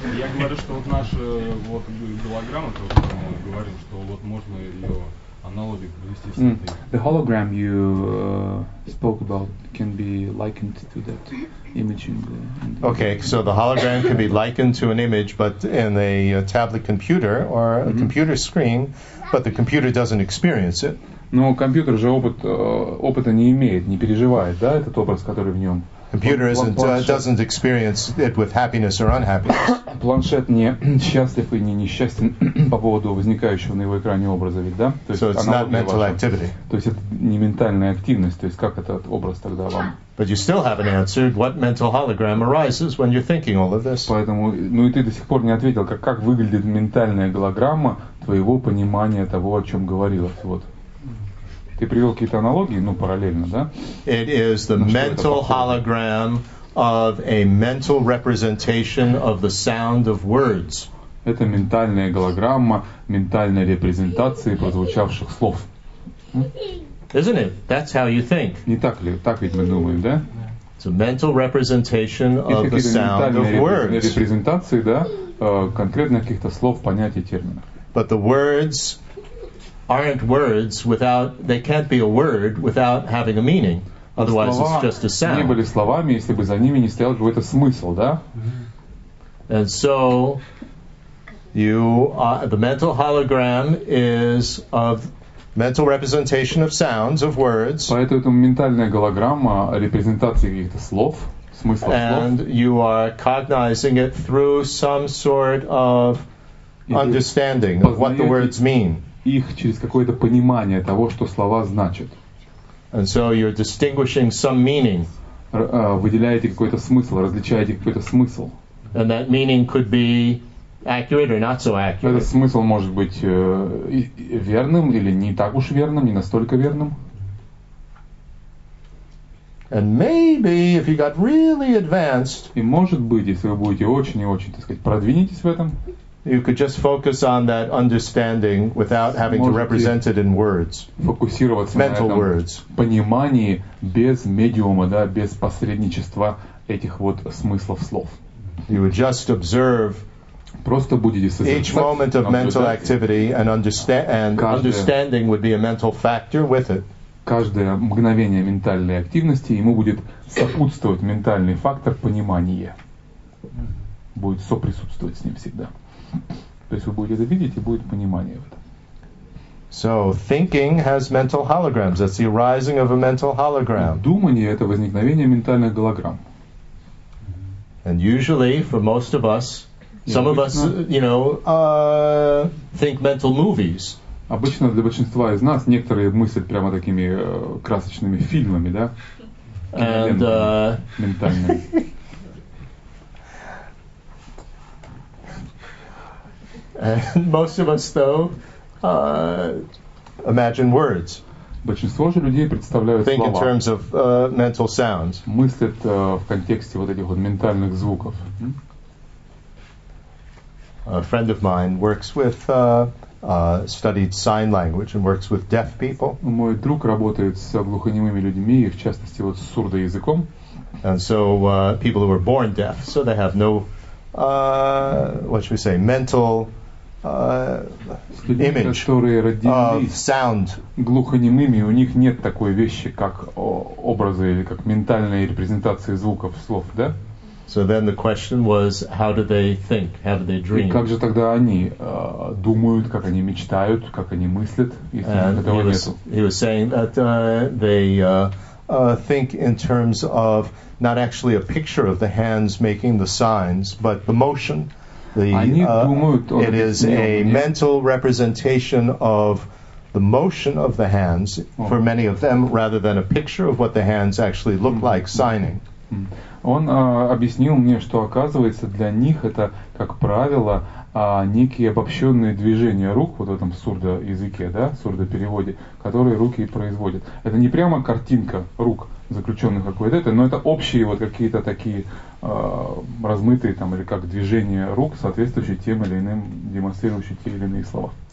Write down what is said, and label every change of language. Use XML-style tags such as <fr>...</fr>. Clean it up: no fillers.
<ru>Я говорю, что вот наша вот голограмма, то, что мы говорим, что вот можно ее аналогию привести с этой...</ru> <en>The hologram you spoke about can be likened to that image in the... Okay, so the hologram can be likened to an image, but in a tablet computer or a computer screen, but the computer doesn't experience it.</en> <ru>Но компьютер же опыта не имеет, не переживает, да, этот образ, который в нем.</ru> <en>Computer isn't doesn't experience it with happiness or unhappiness.</en> <ru>Планшет не счастлив и не несчастен по поводу возникающего на его экране образа, ведь, да? То есть</ru> <en>so it's not mental activity.</en> <ru>То есть это не ментальная активность. То есть как этот образ тогда вам?</ru> <en>But you still haven't answered what mental hologram arises when you're thinking all of this.</en> <ru>Поэтому, ну и ты до сих пор не ответил, как выглядит ментальная голограмма твоего понимания того, о чем говорилось. Вот. Ты привел какие-то аналогии, ну, параллельно, да?</ru> <en>It is the mental hologram of a mental representation of the sound of words.</en> <ru>Это ментальная голограмма ментальной репрезентации прозвучавших слов.</ru> <en>Isn't it? That's how you think.</en> <ru>Не так ли? Так ведь мы думаем, да?</ru> <en>It's a mental representation of the sound of words.</en> <ru>Это репрезентации, да, конкретно каких-то слов, понятий, терминов.</ru> <en>But the words aren't words without, they can't be a word without having a meaning. Otherwise,</en> <ru>слова</ru> <en>it's just a sound.</en> <ru>Не были словами, если бы за ними не стоял какой-то смысл, да?</ru> <en>And so, you are, the mental hologram is of mental representation of sounds, of words.</en> <ru>Поэтому это ментальная голограмма репрезентации каких-то слов, смысла слов.</ru> <en>And you are cognizing it through some sort of understanding of what the words mean.</en> <ru>Их через какое-то понимание того, что слова значат.</ru> <en>And so you're distinguishing some meaning.</en> <ru>Выделяете какой-то смысл, различаете какой-то смысл.</ru> <en>And that meaning could be accurate or not so accurate.</en> <ru>Этот смысл может быть верным или не так уж верным, не настолько верным.</ru> <en>And maybe if you got really advanced.</en> <ru>И может быть, если вы будете очень и очень, так сказать, продвинетесь в этом.</ru> <en>You could just focus on that understanding without having</en> <ru>Можете</ru> <en>to represent it in words.</en> <ru>Фокусироваться</ru> <en>mental</en> <ru>на</ru> <en>words.</en> <ru>Понимании без медиума, да, без посредничества этих вот смыслов слов.</ru> <en>You would just observe</en> <ru>просто будете созерцать</ru> <en>each moment of mental activity and understanding would be a mental factor with it.</en> <ru>Каждое мгновение ментальной активности ему будет сопутствовать ментальный фактор понимания. Будет соприсутствовать с ним всегда. То есть вы будете это видеть и будет понимание в этом.</ru> <en>So thinking has mental holograms. That's the arising of a mental hologram.</en> <ru>Думание это возникновение ментальных голограмм.</ru> <en>And usually for most of us, some of us, you know, think mental movies.</en> <ru>Обычно для большинства из нас некоторые мыслят прямо такими красочными фильмами, да?</ru> <en>And</en> <ru>ментальными.</ru> <en>And most of us, though, imagine words.</en> <ru>Большинство же людей представляют</ru> <en>think</en> <ru>слова.</ru> <en>Think in terms of mental sounds.</en> <ru>Мыслят в контексте вот этих вот ментальных звуков.</ru> <en>A friend of mine works with studied sign language and works with deaf people.</en> <ru>Мой друг работает с глухонемыми людьми и, в частности, вот с сурдоязыком.</ru> <en>And so people who were born deaf, so they have no, what should we say, mental image</en> <ru>которые родились</ru> <en>sound.</en> <ru>Глухонемыми, у них нет такой вещи, как образы или как ментальные репрезентации звуков, слов, да?</ru> <en>So then the question was, how do they think, how do they dream?</en> <ru>И как же тогда они думают, как они мечтают, как они мыслят, если этого нету?</ru> <en>He was saying that they think in terms of not actually a picture of the hands making the signs, but the motion. It is a mental representation of the motion of the hands for many of them, rather than a picture of what the hands actually look like signing.</en> <ru>Он объяснил мне, что оказывается для них это, как правило, некие обобщенные движения рук вот в этом сурдоязыке, да, сурдопереводе, которые руки производят. Это не прямо картинка рук заключенных какой-то, но это общие вот какие-то такие размытые там или как движения рук, соответствующие тем или иным, демонстрирующие те или иные слова.</ru>